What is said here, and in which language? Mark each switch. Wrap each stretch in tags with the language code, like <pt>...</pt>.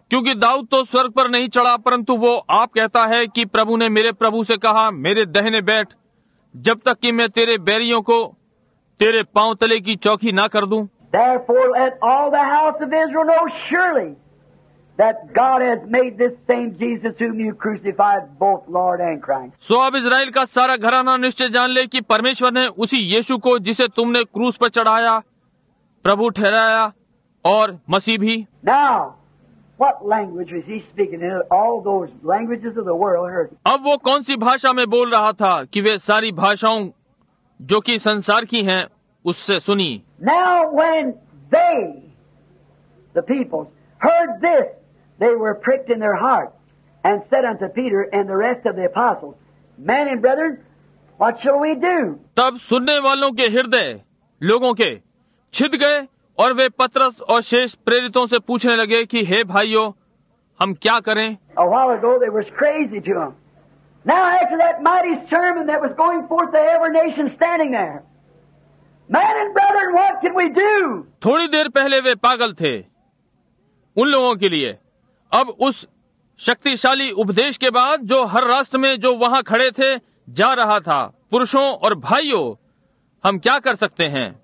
<hi>क्योंकि दाऊद तो स्वर्ग पर नहीं चढ़ा, परंतु वो आप कहता है कि प्रभु ने मेरे प्रभु से कहा, मेरे दाहिने बैठ जब तक कि मैं तेरे बैरियों को तेरे पांव तले की चौकी ना कर दूं.</hi> <en>Therefore let all the house of Israel know surely that God has made this same Jesus whom you crucified both Lord and Christ.</en> <hi>सो अब इसराइल का सारा घराना निश्चय जान ले कि परमेश्वर ने उसी यीशु को जिसे तुमने क्रूस पर चढ़ाया प्रभु ठहराया और मसीह भी.</hi> <en>Now, what language was he speaking in? All those languages of the world heard.</en> <hi>अब वो कौन सी भाषा में बोल रहा था कि वे सारी भाषाओं जो कि संसार की हैं उससे सुनी.</hi> <en>Now when they, the people, heard this, they were pricked in their heart and said unto Peter and the rest of the apostles, men and brethren, what shall we do?</en> <hi>तब सुनने वालों के हृदय लोगों के छिद गए और वे पत्रस और शेष प्रेरितों से पूछने लगे कि हे भाइयों हम क्या करें.</hi> <en>A while ago they was crazy to him. Now after that mighty sermon that was going forth to every nation standing there, man and brethren, what can we do?</en> <hi>थोड़ी देर पहले वे पागल थे उन लोगों के लिए, अब उस शक्तिशाली उपदेश के बाद जो हर राष्ट्र में जो वहाँ खड़े थे जा रहा था, पुरुषों और भाइयों हम क्या कर सकते हैं.</hi>